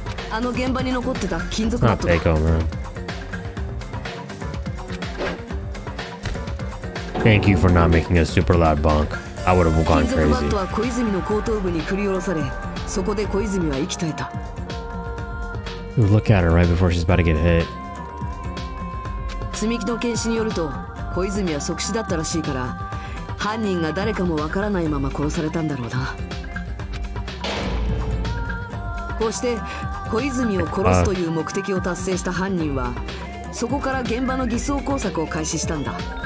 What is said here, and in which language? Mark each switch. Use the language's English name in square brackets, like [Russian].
[Japanese] あの現場に残ってた金属 [English] バット。It's not Takeo, man. Thank you for not making a super loud bonk. I would have gone crazy. [Japanese] 金属バットは小泉の後頭部に振り下ろされ、そこで小泉は息絶えた。 [English] Look at her right before she's about to get hit. [Japanese] 積み木の検視によると、小泉は即死だったらしいから、犯人が誰かもわからないまま殺されたんだろうな。こうして小泉を殺すという目的を達成した犯人は、そこから現場の偽装工作を開始したんだ。